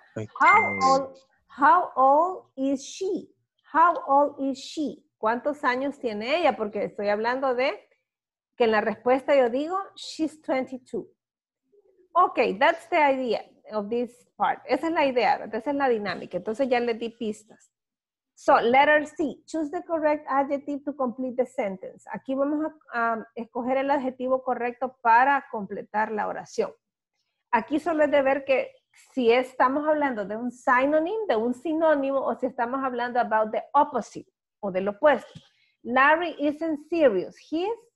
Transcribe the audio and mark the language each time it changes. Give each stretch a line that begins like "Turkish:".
English: How old is she? How old is she?
Spanish: ¿Cuántos años tiene ella? Porque estoy hablando de que en la respuesta yo digo, she's 22.
English: Ok, that's the idea of this part.
Spanish: Esa es la idea, esa es la dinámica. Entonces ya le di pistas.
English: So, letter C. Choose the correct adjective to complete the sentence.
Spanish: Aquí vamos a escoger el adjetivo correcto para completar la oración. Aquí solo es de ver que si estamos hablando de un synonym, de un sinónimo, o si estamos hablando
English: about the opposite,
Spanish: o del opuesto.
English: Larry isn't serious. He's...